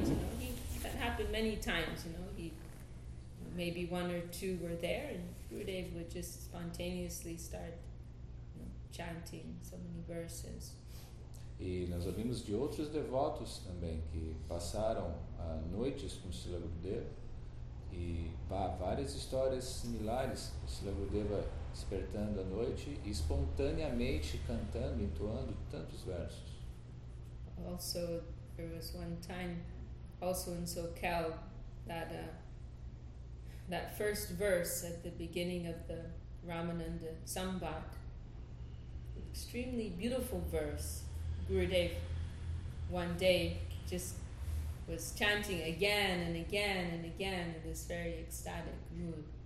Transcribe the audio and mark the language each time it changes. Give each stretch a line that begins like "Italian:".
English: You know, that happened many times, you know. Maybe one or two were there, and Gurudev would just spontaneously start, you know, chanting so many verses.
Portuguese: E nós ouvimos de outros devotos também que passaram noites com Srila Gurudeva, e várias histórias similares, Srila Gurudeva despertando à noite e espontaneamente cantando, entoando tantos versos.
English: Also, there was one time, also in SoCal, that that first verse at the beginning of the Ramananda Sambhat, extremely beautiful verse. Gurudev one day just was chanting again and again and again in this very ecstatic mood.